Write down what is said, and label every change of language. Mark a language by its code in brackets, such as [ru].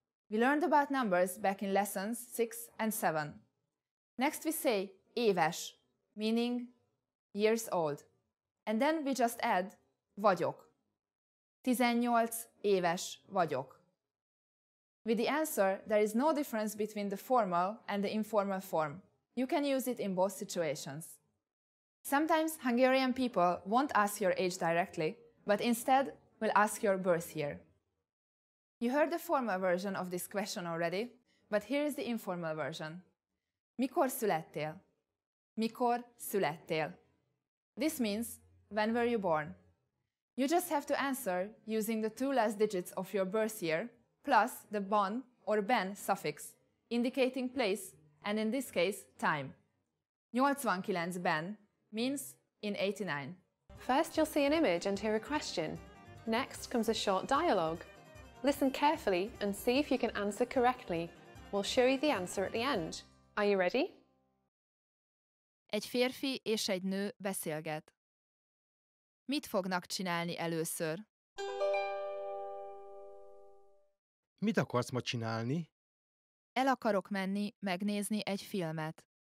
[en] We learned about numbers back in lessons 6 and 7. Next we say éves, meaning years old. And then we just add vagyok. [hu] 18 éves vagyok. [en] With the answer, there is no difference between the formal and the informal form. You can use it in both situations. Sometimes Hungarian people won't ask your age directly, but instead will ask your birth year. You heard the formal version of this question already, but here is the informal version. [hu] Mikor születtél? Mikor születtél? [en] This means, when were you born? You just have to answer using the two last digits of your birth year plus the bon or ben suffix, indicating place and in this case, time. 89 ben means in 89. First you'll see an image and hear a question. Next comes a short dialogue. Listen carefully and see if you can answer correctly. We'll show you the answer at the end. Are you ready? [hu] Egy férfi és egy nő beszélget. Mit fognak csinálni először? Mit akarsz ma csinálni? El akarok menni megnézni egy filmet.